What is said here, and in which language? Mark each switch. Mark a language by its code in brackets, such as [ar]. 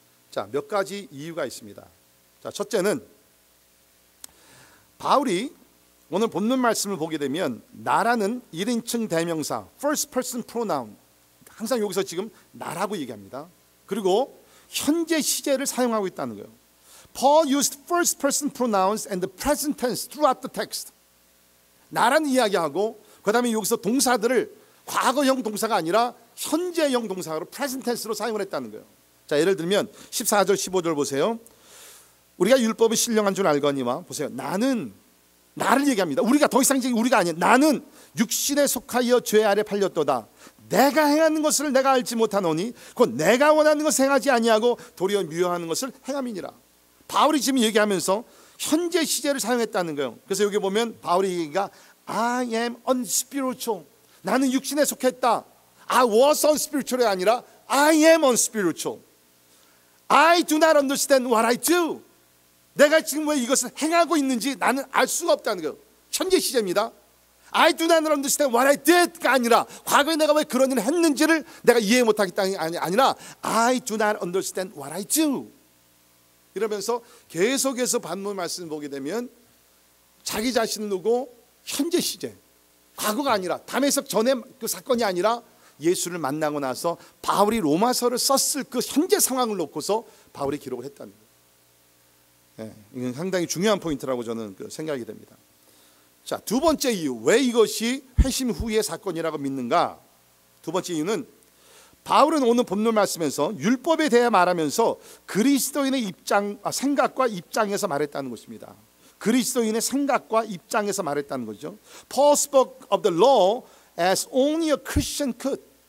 [ko] 자, 몇 가지 이유가 있습니다. 자, 첫째는 바울이 오늘 본문 말씀을 보게 되면 나라는 1인칭 대명사, [en] first person pronoun, [ko] 항상 여기서 지금 나라고 얘기합니다. 그리고 현재 시제를 사용하고 있다는 거예요. [en] Paul used first person pronouns and the present tense throughout the text. [ko] 나라는 이야기하고 그 다음에 여기서 동사들을 과거형 동사가 아니라 현재형 동사로 present tense로 사용을 했다는 거예요. 자, 예를 들면 14절, 15절 보세요. 우리가 율법이 신령한 줄 알거니와 보세요. 나는 나를 얘기합니다. 우리가 더 이상 우리가 아니야. 나는 육신에 속하여 죄 아래 팔렸도다. 내가 행하는 것을 내가 알지 못하노니 곧 내가 원하는 것을 행하지 아니하고 도리어 미워하는 것을 행함이니라. 바울이 지금 얘기하면서 현재 시제를 사용했다는 거예요. 그래서 여기 보면 바울의 얘기가 [en] I am unspiritual. [ko] 나는 육신에 속했다. [en] I was unspiritual이 [ko] 아니라 [en] I am unspiritual. I do not understand what I do. [ko] 내가 지금 왜 이것을 행하고 있는지 나는 알 수가 없다는 거예요. 현재 시제입니다. [en] I do not understand what I did [ko] 가 아니라 과거에 내가 왜 그런 일을 했는지를 내가 이해 못하겠다는 게 아니라 [en] I do not understand what I do. [ko] 이러면서 계속해서 반문 말씀을 보게 되면 자기 자신은 누구? 현재 시제. 과거가 아니라 다메섹 전에 그 사건이 아니라 예수를 만나고 나서 바울이 로마서를 썼을 그 현재 상황을 놓고서 바울이 기록을 했다는 거예요. 네, 이건 상당히 중요한 포인트라고 저는 그 생각이 됩니다. 자, 두 번째 이유, 왜 이것이 회심 후의 사건이라고 믿는가? 두 번째 이유는 바울은 오늘 본문 말씀에서 율법에 대해 말하면서 그리스도인의 입장, 생각과 입장에서 말했다는 것입니다. 그리스도인의 생각과 입장에서 말했다는 거죠. [en] Paul spoke of the law as only a Christian could.